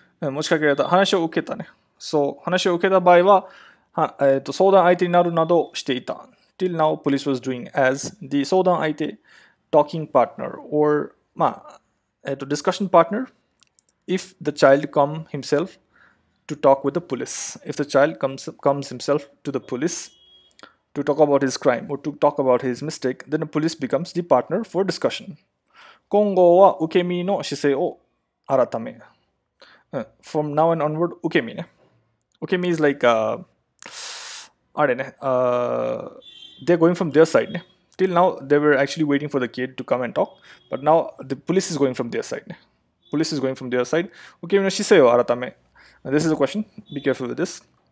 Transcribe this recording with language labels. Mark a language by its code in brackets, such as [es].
[ja] 持ちかけられた話を受けたね。So, 話を受けた場合 は相談相手になるなどしていた。 [en] Till now, police was doing as the 相談相手 talking partner or discussion partner if the child come himself to talk with the police. If the child comes himself to the police. To talk about his crime or to talk about his mistake, then the police becomes the partner for discussion. [ja] 今後は受け身の姿勢を改め。 [en] From now and onward, 受け身ね。受け身 is like, [ja] あれね、 [en] they're going from their side ね。 Till now, they were actually waiting for the kid to come and talk, but now the police is going from their side ね。 Police is going from their side. [ja] 受け身の姿勢を改め。 [en] This is a question. Be careful with this.